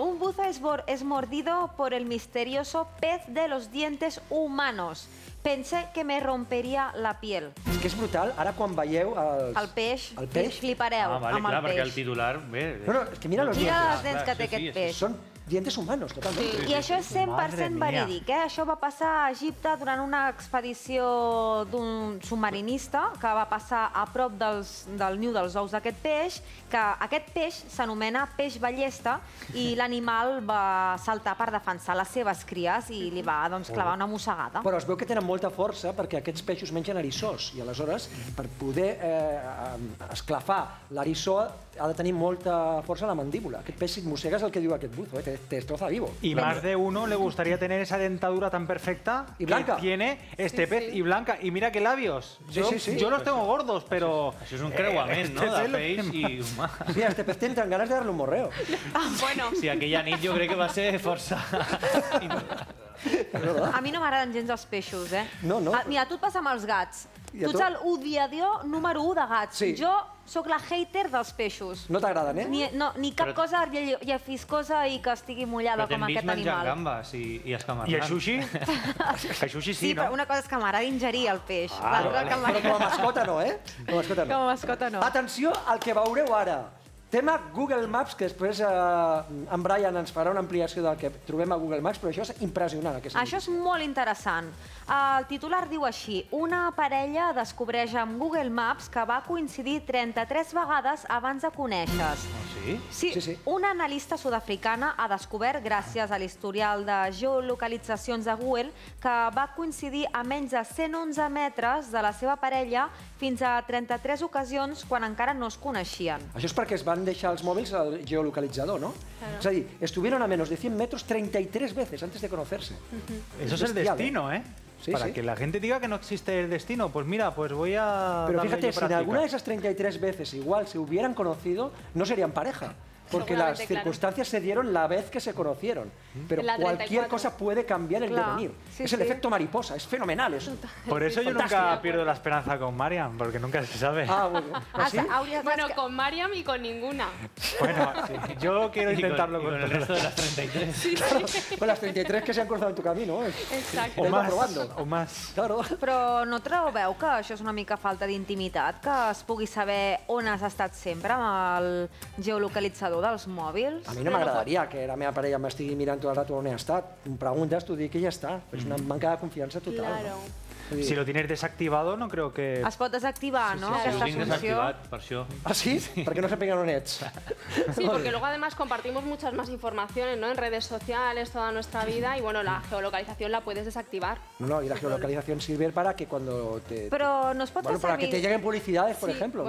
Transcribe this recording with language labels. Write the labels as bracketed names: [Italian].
[Spanish] Un buzo es mordido por el misterioso pez de los dientes humanos. Pensé que me rompería la piel. [Catalan] És que és brutal. Ara, quan veieu el peix, flipareu amb el peix. Perquè el titular... No, és que mira els dents. Mira els dents que té aquest peix. Són... Dientes humanos, totalment. I això és 100% verídic. Això va passar a Egipte durant una expedició d'un submarinista que va passar a prop del niu dels ous d'aquest peix, que aquest peix s'anomena peix ballesta i l'animal va saltar per defensar les seves cries i li va clavar una mossegada. Però es veu que tenen molta força perquè aquests peixos mengen eriçós i aleshores, per poder esclafar l'eriçó, ha de tenir molta força a la mandíbula. Aquest peix, si et mossegues, el que diu aquest buzo, te destroza vivo. [Spanish] Y más de uno le gustaría tener esa dentadura tan perfecta y blanca que tiene este pez y blanca. Y mira qué labios. Sí. Yo los tengo gordos, pero... Eso es un creuamen, ¿no? De peix y humà. Mira, este pez tiene ganas de darle un morreo. Bueno. Sí, aquella nit yo creo que va a ser força... [Catalan] A mi no m'agraden gens els peixos, eh? No. Mira, tu et passa amb els gats. Tu ets l'odiador número 1 de gats. Jo sóc la hater dels peixos. No t'agraden, eh? Ni cap cosa llefiscosa i que estigui mullada com aquest animal. Però t'hem vist menjant gambes i escamarrant. I a sushi? A sushi sí, no? Sí, però una cosa és que m'agrada ingerir el peix. Però com a mascota no, eh? Com a mascota no. Atenció al que veureu ara. Tema Google Maps, que després en Brian ens farà una ampliació del que trobem a Google Maps, però això és impressionant. Això és molt interessant. El titular diu així: una parella descobreix amb Google Maps que va coincidir 33 vegades abans de conèixer-se. Sí. Una analista sud-africana ha descobert, gràcies a l'historial de geolocalitzacions de Google, que va coincidir a menys de 111 metres de la seva parella fins a 33 ocasions quan encara no es coneixien. Això és perquè es van deixar els mòbils al geolocalitzador, no? [Spanish] És a dir, estuvieron a menos de 100 metros 33 veces antes de conocerse. Eso es el destino, ¿eh? Sí, para que la gente diga que no existe el destino, pues mira, pues voy a... Pero fíjate, si en alguna de esas 33 veces igual se hubieran conocido, no serían pareja. Porque las circunstancias se dieron la vez que se conocieron. Pero cualquier cosa puede cambiar el devenir. Es el efecto mariposa, es fenomenal eso. Por eso yo nunca pierdo la esperanza con Mariam, porque nunca se sabe. Bueno, con Mariam y con ninguna. Bueno, yo quiero intentarlo con el resto de las 33. Con las 33 que se han cruzado en tu camino. Exacto. O más. [Catalan] Però no trobeu que això és una mica falta d'intimitat, que es pugui saber on has estat sempre amb el geolocalitzador dels mòbils? A mi no m'agradaria que la meva parella m'estigui mirant tot el rato on he estat. Em preguntes, t'ho dic i ja està. És una manca de confiança total. [Spanish] Si lo tienes desactivado, no creo que... [Catalan] Es pot desactivar, no? Sí, ho tinc desactivat, per això. Ah, sí? Perquè no sapiguen on ets. [Spanish] Sí, porque luego además compartimos muchas más informaciones, ¿no? En redes sociales, toda nuestra vida, y bueno, la geolocalización la puedes desactivar. No, y la geolocalización sirve para que cuando te... [Catalan] Però no es pot servir... [Spanish] Bueno, para que te lleguen publicidades, por ejemplo, ¿no?